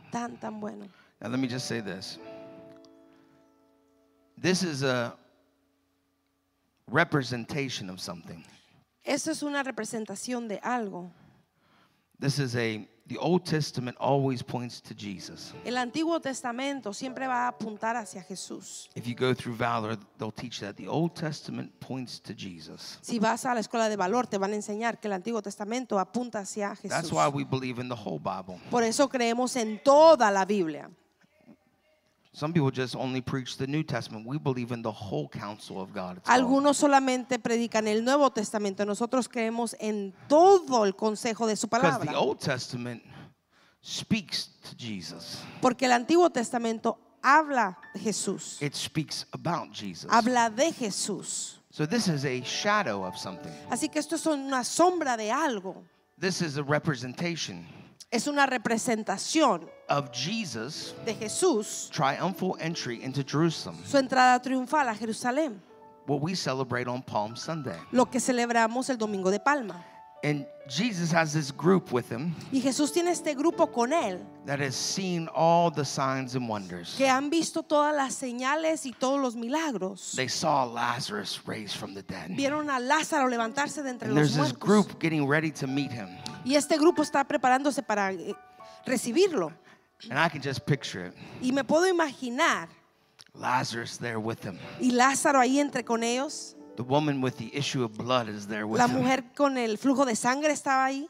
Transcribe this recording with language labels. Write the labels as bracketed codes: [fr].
[es] Tan, tan bueno. [en] Now let me just say this. This is a representation of something. [es] Esto es una representación de algo. [en] This is a, the Old Testament always points to Jesus. [es] El Antiguo Testamento siempre va a apuntar hacia Jesús. [en] If you go through Valor, they'll teach that the Old Testament points to Jesus. [es] Si vas a la escuela de Valor, te van a enseñar que el Antiguo Testamento apunta hacia Jesús. [en] That's why we believe in the whole Bible. [es] Por eso creemos en toda la Biblia. [en] Some people just only preach the New Testament. We believe in the whole counsel of God. [es] Algunos solamente predican el Nuevo Testamento. Nosotros creemos en todo el consejo de su palabra. [en] Because the Old Testament speaks to Jesus. [es] Porque el Antiguo Testamento habla de Jesús. [en] It speaks about Jesus. [es] Habla de Jesús. [en] So this is a shadow of something. [es] Así que esto es una sombra de algo. [en] This is a representation. [es] Es una representación. [en] Of Jesus, [es] de Jesús, [en] triumphal entry into Jerusalem. [es] Su entrada triunfal a Jerusalén. [en] What we celebrate on Palm Sunday. [es] Lo que celebramos el domingo de Palma. [en] And Jesus has this group with him. [es] Y Jesús tiene este grupo con él. [en] That has seen all the signs and wonders. [es] Que han visto todas las señales y todos los milagros. [en] They saw Lazarus raised from the dead. [es] Vieron a Lázaro levantarse de entre los muertos. [en] And there's this group getting ready to meet him. [es] Y este grupo está preparándose para recibirlo. [en] And I can just picture it. [es] Y me puedo imaginar. [en] Lazarus there with him. [es] Y Lázaro ahí entre con ellos. [en] The woman with the issue of blood is there with him. [es] La mujer con el flujo de sangre estaba ahí.